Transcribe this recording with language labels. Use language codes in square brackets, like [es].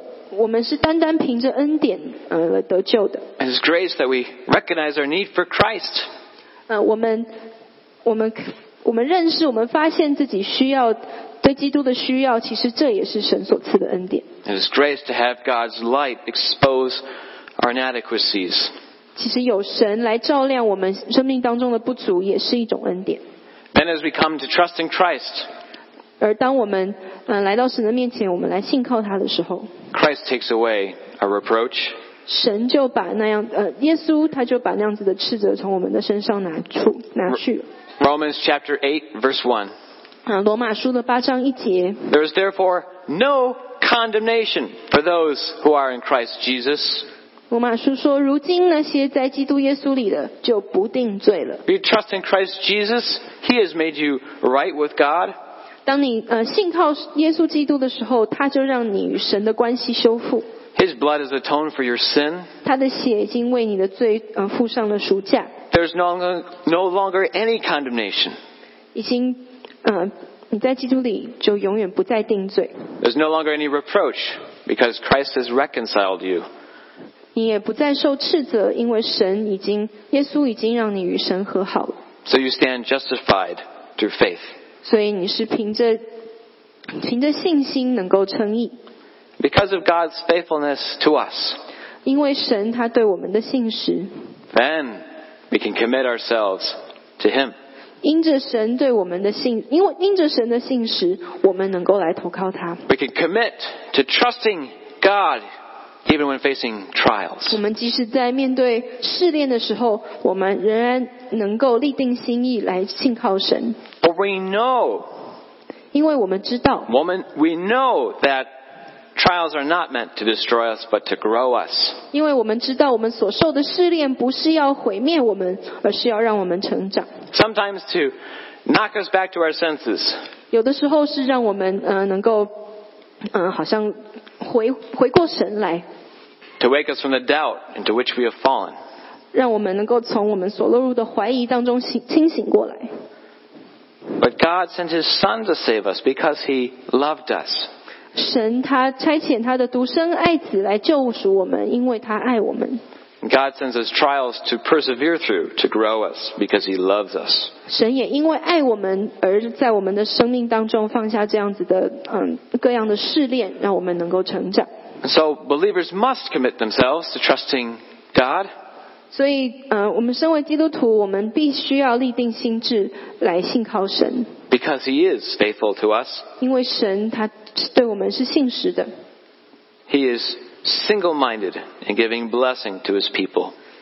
[zh] 我们是单单凭着恩典得救的。 [en] It's grace that we recognize our need for Christ. [zh] 我们认识，我们发现自己需要对基督的需要，其实这也是神所赐的恩典。 [en] It is grace to have God's light expose our inadequacies. [zh] 其实有神来照亮我们生命当中的不足，也是一种恩典。 [en] Then as we come to trust in Christ, [zh] 而当我们来到神的面前，我们来信靠他的时候 [en] ，Christ takes away our reproach. [zh] 神就把那样耶稣他就把那样子的斥责从我们的身上拿去。 [en] Romans chapter 8, verse 1. [zh] 罗马书的八章一节。 [en] There is therefore no condemnation for those who are in Christ Jesus. [zh] 罗马书说，如今那些在基督耶稣里的就不定罪了。 [en] If you trust in Christ Jesus, he has made you right with God. [zh] 当你信靠耶稣基督的时候，他就让你与神的关系修复。 [en] His blood has atoned for your sin. [zh] 他的血已经为你的罪付上了赎价。 [en] There's no longer any condemnation. [zh] 已经，你在基督里就永远不再定罪。 [en] There's no longer any reproach because Christ has reconciled you. [zh] 你也不再受斥责，因为耶稣已经让你与神和好了。 [en] So you stand justified through faith. [zh] 所以你是凭着信心能够称义。 [en] Because of God's faithfulness to us. [zh] 因为神他对我们的信实。 [en] Then. We can commit ourselves to Him. [zh] 因着神对我们的信，因为因着神的信实，我们能够来投靠他。 [en] We can commit to trusting God, even when facing trials. [zh] 我们即使在面对试炼的时候，我们仍然能够立定心意来信靠神。 [en] But we know, [zh] 因为我们知道 [en] we know that trust trials are not meant to destroy us, but to grow us. [zh] 因为我们知道我们所受的试炼不是要毁灭我们，而是要让我们成长。 [en] Sometimes to knock us back to our senses. [zh] 有的时候是让我们能够好像回过神来。 [en] To wake us from the doubt into which we have fallen. [zh] 让我们能够从我们所落入的怀疑当中清醒过来。 [en] But God sent His Son to save us because He loved us. [zh] 神他差遣他的独生爱子来救赎我们，因为他爱我们。 [en] God sends us trials to persevere through, to grow us, because He loves us. [zh] 神也因为爱我们而在我们的生命当中放下这样子的各样的试炼，让我们能够成长。 [en] So believers must commit themselves to trusting God. [zh] 所以我们身为基督徒，我们必须要立定心智来信靠神。 [en] Because He is faithful to us. [zh] 因为神他对我们是信实的。 [en] He is single-minded in giving blessing to His people.